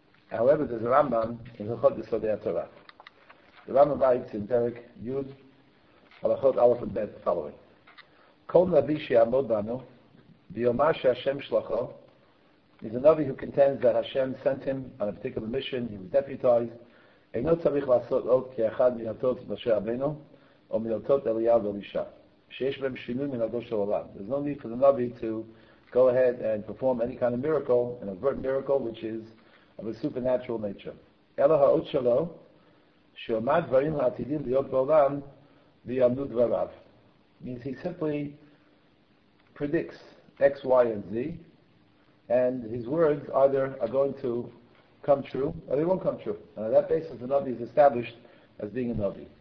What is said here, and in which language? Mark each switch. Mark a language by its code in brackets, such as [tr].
[en] However, there's a Rambam in Hilchot Yesodei HaTorah. The Rambam writes in Perek Yud, Halachot Aleph and Bet, following: [he] Kol Navi she'amod banu, v'yomar she'Hashem shlacho, [en] is a Navi who contends that Hashem sent him on a particular mission, he was deputized. [he] אינו צריך לעשות עוד כאחד מנתות משה רבנו או מנתות אליהו ואלישה שיש בהם שינוי מנהגו של עולם. [en] There's no need for the Navi to go ahead and perform any kind of miracle, an overt miracle, which is of a supernatural nature. [he] אלא האות שלו שאומר דברים העתידים להיות בעולם ויעמדו דבריו. [en] Means he simply predicts X, Y, and Z, and his words either are going to come true, or they won't come true. And on that basis, the Navi is established as being a Navi.